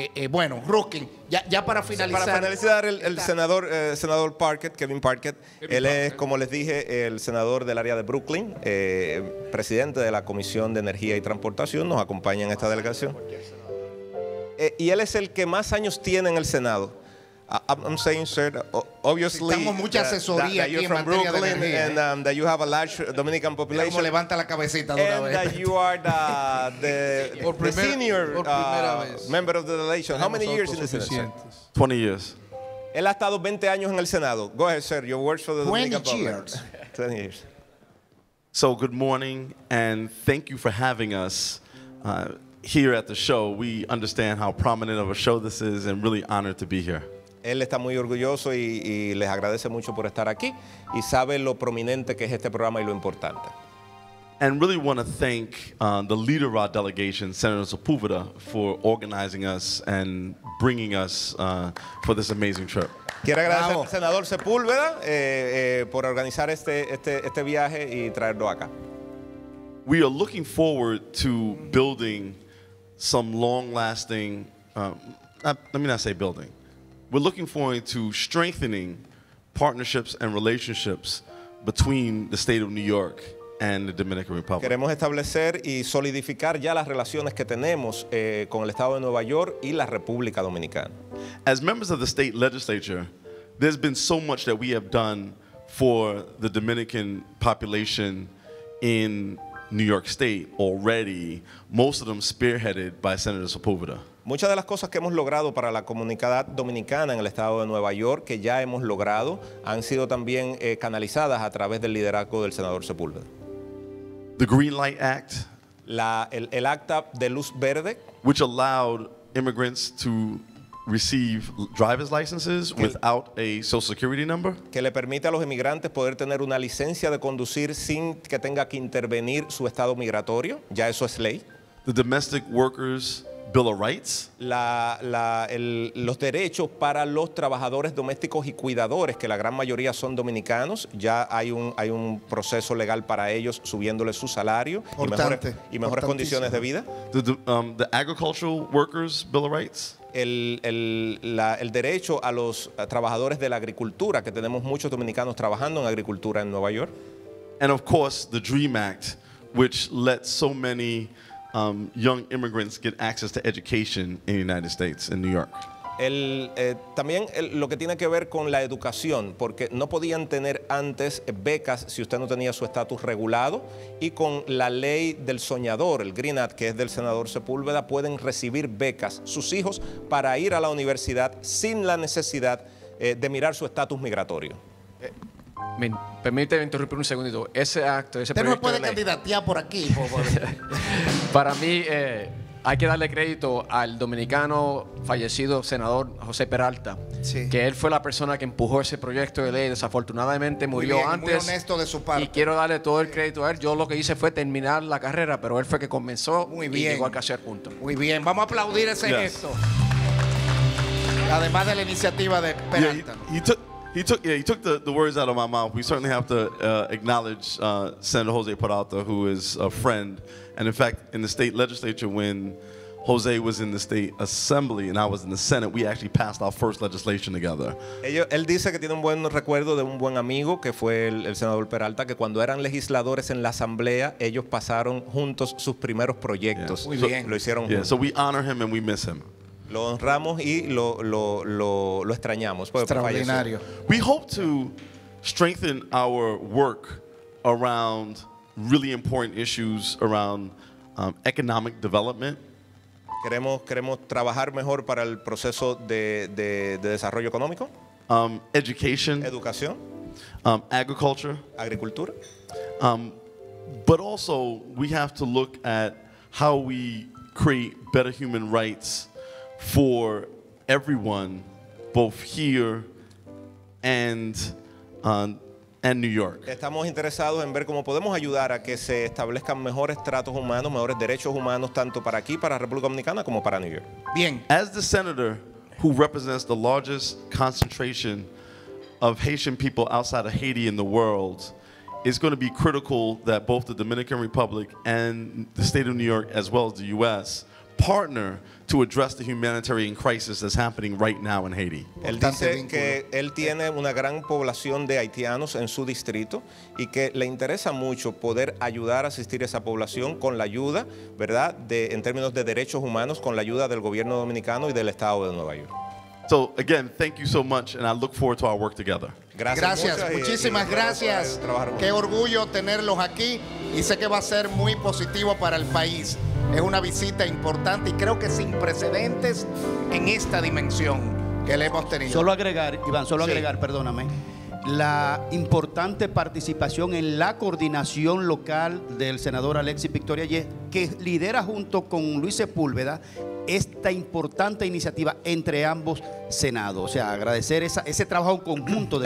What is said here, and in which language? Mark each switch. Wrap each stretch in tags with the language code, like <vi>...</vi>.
<es>Bueno, Ruskin, ya para finalizar. Para finalizar, el senador Parkett, Kevin Parkett, él es, como les dije, el senador del área de Brooklyn, presidente de la Comisión de Energía y Transportación, nos acompaña en esta delegación. Y él es el que más años tiene en el Senado.</es> <en>I'm saying, sir, obviously,</en> <es>estamos mucha asesoría</es> <en>that you're from</en> <es>en Brooklyn de energía,</es> <en>and that you have a large Dominican population.</en> <es>Como levanta la cabecita de</es> <en>and</en> <es>una vez.</es> <en>That you are the senior member of the delegation. How many years in the Senate? 20 years.</en> <es>Él ha estado 20 años en el Senado.</es> <en>Go ahead, sir. Your words for the Dominican public. 20 years. So good morning, and thank you for having us here at the show. We understand how prominent of a show this is, and really honored to be here.</en> <es>Él está muy orgulloso y les agradece mucho por estar aquí y sabe lo prominente que es este programa y lo importante.</es> <en>And really want to thank the leader of our delegation, Senator Sepúlveda, for organizing us and bringing us for this amazing trip.</en> <es>Quiero agradecer al senador Sepúlveda por organizar este viaje y traerlo acá.</es> <en>We are looking forward to building some long-lasting, let me not say building, we're looking forward to strengthening partnerships and relationships between the state of New York and the Dominican Republic.</en> <es>Queremos establecer y solidificar ya las relaciones que tenemos con el estado de Nueva York y la República Dominicana.</es> <en>As members of the state legislature, there's been so much that we have done for the Dominican population in New York State already, most of them spearheaded by Senator Sepúlveda.</en> <es>Muchas de las cosas que hemos logrado para la comunidad dominicana en el estado de Nueva York, que ya hemos logrado, han sido también canalizadas a través del liderazgo del senador Sepúlveda.</es> <en>The Green Light Act,</en> <es>el acta de luz verde,</es> <en>which allowed immigrants to receive driver's licenses without a social security number,</en> <es>que le permite a los inmigrantes poder tener una licencia de conducir sin que tenga que intervenir su estado migratorio, ya eso es ley.</es> <en>The Domestic Workers Bill of Rights,</en> <es>los derechos para los trabajadores domésticos y cuidadores, que la gran mayoría son dominicanos, ya hay un proceso legal para ellos subiéndoles su salario y mejores condiciones de vida.</es> <en>The Agricultural Workers Bill of Rights,</en> <es>el derecho a los trabajadores de la agricultura, que tenemos muchos dominicanos trabajando en agricultura en Nueva York.</es> <en>And of course the Dream Act, which lets so many young immigrants get access to education in the United States, in New York.</en> <es>El, también el, lo que tiene que ver con la educación, porque no podían tener antes becas si usted no tenía su estatus regulado, y con la ley del soñador, el Green Act, que es del senador Sepúlveda, pueden recibir becas sus hijos para ir a la universidad sin la necesidad de mirar su estatus migratorio. Permíteme interrumpir un segundito. Ese acto, ese proyecto. Usted no puede candidatear por aquí, por favor. Para mí, hay que darle crédito al dominicano fallecido senador José Peralta, sí, que él fue la persona que empujó ese proyecto de ley. Desafortunadamente murió muy bien, antes. Muy honesto de su parte. Y quiero darle todo el crédito a él. Yo lo que hice fue terminar la carrera, pero él fue que comenzó muy bien. Y llegó a casi al punto. Muy bien, vamos a aplaudir ese gesto. Además de la iniciativa de Peralta.</es> <en>He took the words out of my mouth. We certainly have to acknowledge Senator José Peralta, who is a friend. And in fact, in the state legislature, when José was in the state assembly and I was in the Senate, we actually passed our first legislation together.</en> <es>Él dice que tiene un buen recuerdo de un buen amigo, que fue el senador Peralta, que cuando eran legisladores en la asamblea, ellos pasaron juntos sus primeros proyectos. Yeah. Muy bien. Lo hicieron juntos.</es> <en>So we honor him and we miss him.</en> <es>Lo honramos y lo extrañamos. Extraordinario.</es> <en>We hope to strengthen our work around really important issues around economic development.</en> <es>Queremos trabajar mejor para el proceso de desarrollo económico.</es> <en>Education.</en> <es>Educación.</es> <en>Agriculture.</en> <es>Agricultura.</es> <en>But also we have to look at how we create better human rights for everyone, both here and New York.</en> <es>Estamos interesados en ver cómo podemos ayudar a que se establezcan mejores tratos humanos, mejores derechos humanos, tanto para aquí, para República Dominicana, como para New York. Bien.</es> <en>As the senator who represents the largest concentration of Haitian people outside of Haiti in the world, it's going to be critical that both the Dominican Republic and the state of New York, as well as the U.S., partner to address the humanitarian crisis that's happening right now in Haiti.</en> <es>Él dice que él tiene una gran población de haitianos en su distrito y que le interesa mucho poder ayudar a asistir a esa población con la ayuda, ¿verdad?, de, en términos de derechos humanos, con la ayuda del gobierno dominicano y del estado de Nueva York. So again, thank you so much and I look forward to our work together. Gracias, muchísimas gracias. Qué orgullo tenerlos aquí y sé que va a ser muy positivo para el país. Es una visita importante y creo que sin precedentes en esta dimensión que le hemos tenido. Solo agregar, Iván, solo agregar, sí, perdóname, la importante participación en la coordinación local del senador Alexis Victoria Yeh, que lidera junto con Luis Sepúlveda esta importante iniciativa entre ambos senados. O sea, agradecer esa, ese trabajo conjunto.</es>